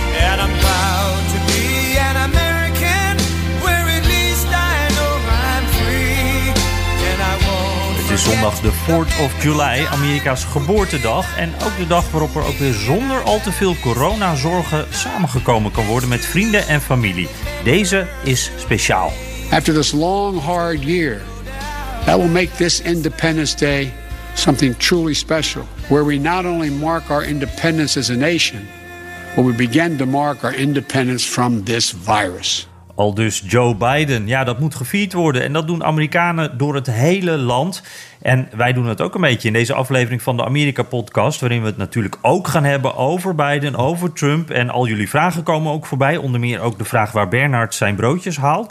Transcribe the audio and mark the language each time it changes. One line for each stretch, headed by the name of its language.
English: And I'm proud to be an American where at least I know I'm free. And I won't.
Dutch: Het is zondag de
English: 4th of July,
Dutch: Amerika's geboortedag. En ook de dag waarop er ook weer zonder al te veel coronazorgen samengekomen kan worden met vrienden en familie. Deze is speciaal.
English: After this long, hard year, that will make this Independence Day something truly special, where we not only mark our independence as a nation, but we begin to mark our independence from this virus.
Dutch: Al dus Joe Biden. Ja, dat moet gevierd worden. En dat doen Amerikanen door het hele land. En wij doen het ook een beetje in deze aflevering van de Amerika-podcast, waarin we het natuurlijk ook gaan hebben over Biden, over Trump. En al jullie vragen komen ook voorbij. Onder meer ook de vraag waar Bernard zijn broodjes haalt.